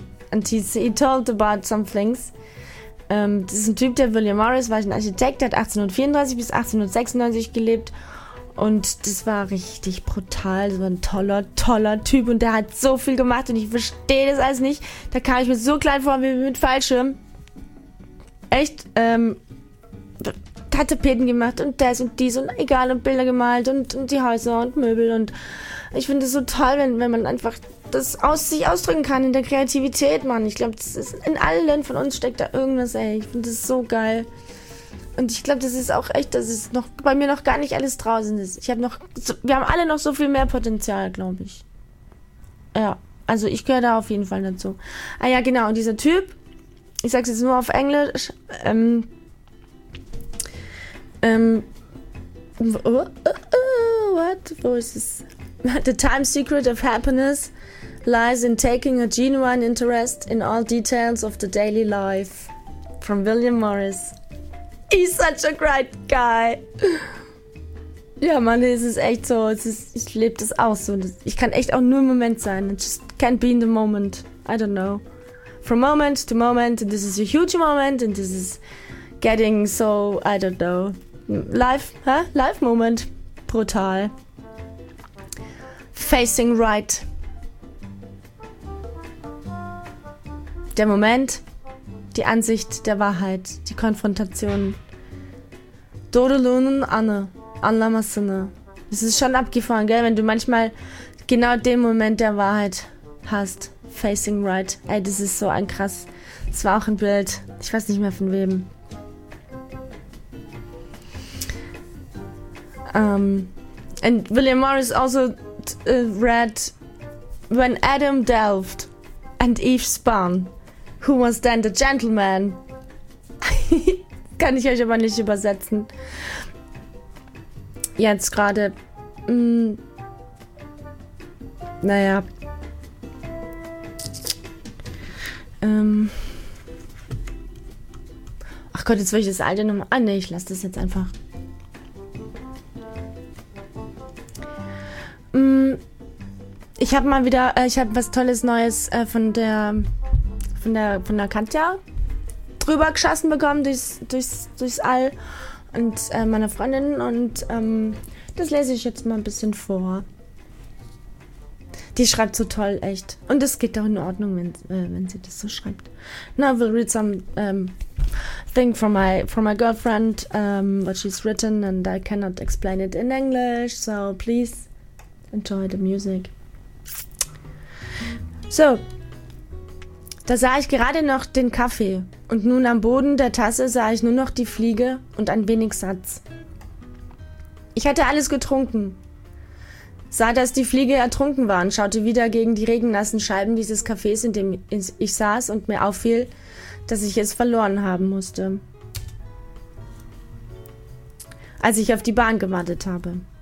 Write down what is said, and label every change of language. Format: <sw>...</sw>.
<en>And he told about some things.</en> <de>Das ist ein Typ, der William Morris war ein Architekt, der hat 1834 bis 1896 gelebt. Und das war richtig brutal. So ein toller, toller Typ. Und der hat so viel gemacht und ich verstehe das alles nicht. Da kam ich mir so klein vor wie mit Fallschirm. Echt, hat Tapeten gemacht und das und dies und egal und Bilder gemalt und die Häuser und Möbel. Und ich finde es so toll, wenn man einfach das aus sich ausdrücken kann in der Kreativität, Mann. Ich glaube, das ist in allen von uns steckt da irgendwas, ey. Ich finde das so geil. Und ich glaube, das ist auch echt, dass es noch bei mir noch gar nicht alles draußen ist. Ich habe noch, wir haben alle noch so viel mehr Potenzial, glaube ich. Ja, also ich gehöre da auf jeden Fall dazu. Ah ja, genau. Und dieser Typ, ich sag's jetzt nur auf Englisch, what? Wo ist es?</de> <en>The time secret of happiness lies in taking a genuine interest in all details of the daily life. From William Morris. He's such a great guy.</en> <de>Ja, Mann, es ist echt so. Es ist, ich lebe das auch so. Ich kann echt auch nur im Moment sein.</de> <en>It just can't be in the moment. I don't know. From moment to moment, and this is a huge moment, and this is getting so, I don't know. Live, hä? Huh? Live moment. Brutal. Facing right.</en> <de>Der Moment, die Ansicht der Wahrheit, die Konfrontation.</de> <tr>Dorolunen Anne, Anlamasene.</tr> <de>Es ist schon abgefahren, gell, wenn du manchmal genau den Moment der Wahrheit hast.</de> <en>Facing right.</en> <de>Ey, das ist so ein krass. Das war auch ein Bild. Ich weiß nicht mehr von wem.</de> <en>And William Morris also read when Adam delved and Eve spun. Who was then the gentleman?</en> <de>Kann ich euch aber nicht übersetzen. Jetzt gerade. Naja. Ach Gott, jetzt will ich das alte nochmal. Ah, ne, ich lasse das jetzt einfach. Ich habe mal wieder, ich habe was Tolles Neues von der Katja drüber geschossen bekommen durchs All und meiner Freundin und das lese ich jetzt mal ein bisschen vor. Die schreibt so toll, echt. Und das geht auch in Ordnung, wenn sie das so schreibt.</de> <en>Now we'll read some thing from my girlfriend, what she's written, and I cannot explain it in English, so please enjoy the music.</en> <de>So, da sah ich gerade noch den Kaffee und nun am Boden der Tasse sah ich nur noch die Fliege und ein wenig Satz. Ich hatte alles getrunken, sah, dass die Fliege ertrunken war und schaute wieder gegen die regennassen Scheiben dieses Cafés, in dem ich saß und mir auffiel, dass ich es verloren haben musste, als ich auf die Bahn gewartet habe.</de>